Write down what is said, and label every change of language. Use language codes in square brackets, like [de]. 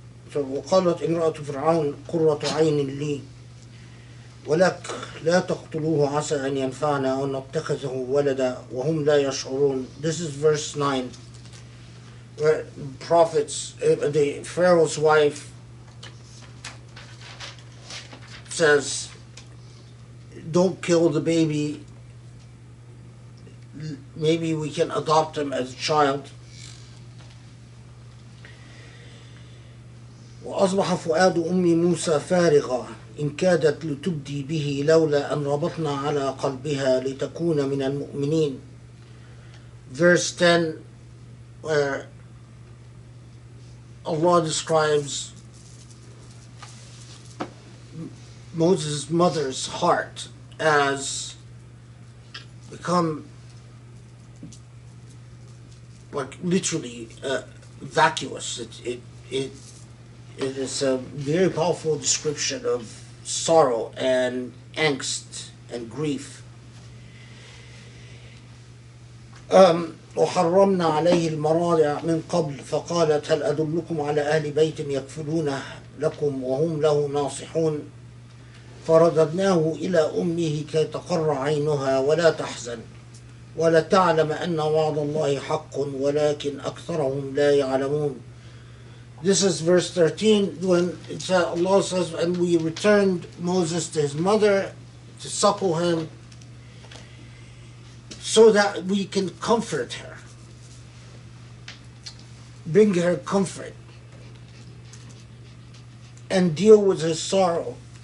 [ar] So وقالت امرأة فرعون قرة عين لي ولك لا تقتلوه عسى أن ينفعنا أو نتخذه ولدا وهم لا يشعرون. [en] This is verse 9, where prophets, the Pharaoh's wife says, don't kill the baby, maybe we can adopt him as a child. [ar] وأصبح فؤاد أمي موسى فارغا إن كادت لتبدي به لولا أن ربطنا على قلبها لتكون من المؤمنين. [en] Verse 10, where Allah describes Moses' mother's heart as become like literally vacuous. It is a very powerful description of sorrow and angst and grief. [ar] وحرمنا عليه المراضع من قبل فقالت هل أدلكم على أهل بيت يكفلونه لكم وهم له ناصحون فرددناه إلى أمه كي تقر عينها ولا تحزن ولا تعلم أن وعد الله حق ولكن أكثرهم لا يعلمون. [en] This is verse 13 when it's, Allah says, and we returned Moses to his mother to suckle him so that we can comfort her, bring her comfort, and deal with her sorrow.